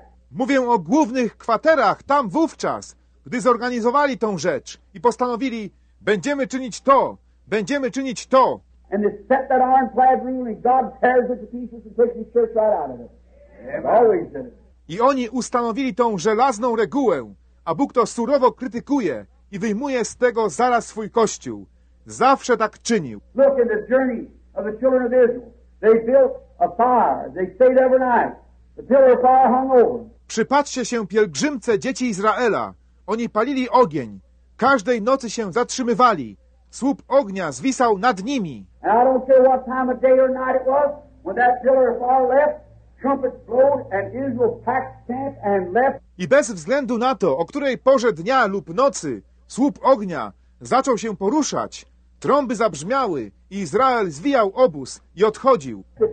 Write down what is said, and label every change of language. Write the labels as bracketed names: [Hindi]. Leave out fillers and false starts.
[Polish] Mówię o głównych kwaterach tam wówczas, gdy zorganizowali tą rzecz i postanowili, będziemy czynić to, będziemy czynić to. [English] And they set that iron clad room and God tears it to pieces and takes his church right out of it. Yeah, always did it. [Polish] I oni ustanowili tą żelazną regułę, a Bóg to surowo krytykuje i wyjmuje z tego zaraz swój kościół. Zawsze tak czynił. [English] Look at the journey of the children of Israel. They built a fire. They stayed every night. The pillar of fire hung over. [Polish] Przypatrzcie się, pielgrzymce, dzieci Izraela. Oni palili ogień. Każdej nocy się zatrzymywali. Słup ognia zwisał nad nimi. [English] And I don't care what time of day or night it was, when that pillar of fire left, trumpets blowed and Israel packed tent and left. [Polish] I bez względu na to, o której porze dnia lub nocy słup ognia zaczął się poruszać, trąby zabrzmiały i Izrael zwijał obóz i odchodził.